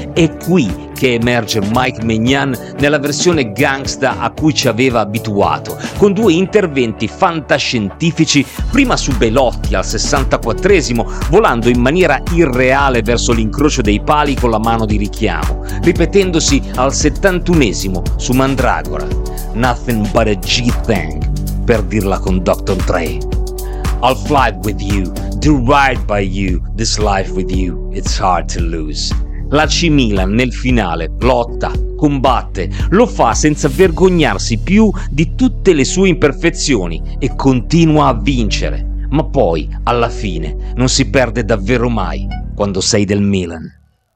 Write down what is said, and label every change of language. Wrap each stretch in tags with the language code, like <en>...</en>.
<it>È qui che emerge Mike Maignan nella versione gangsta a cui ci aveva abituato, con due interventi fantascientifici, prima su Belotti al 64esimo, volando in maniera irreale verso l'incrocio dei pali con la mano di richiamo, ripetendosi al 71esimo su Mandragora.</it> <en>Nothing but a G-thing,</en> <it>per dirla con Dr. Dre.</it> <en>I'll fly with you, do right by you, this life with you, it's hard to lose.</en> <it>L'AC Milan nel finale lotta, combatte, lo fa senza vergognarsi più di tutte le sue imperfezioni e continua a vincere. Ma poi, alla fine, non si perde davvero mai quando sei del Milan.</it>